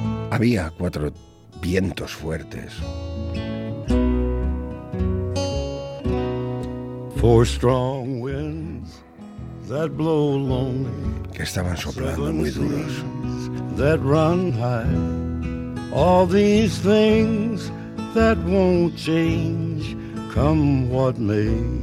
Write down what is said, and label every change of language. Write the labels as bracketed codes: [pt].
[es] Había cuatro vientos fuertes. [en] Four strong winds that blow lonely. [es] Que estaban soplando muy duros. [en] That run high. All these things that won't change, come what may.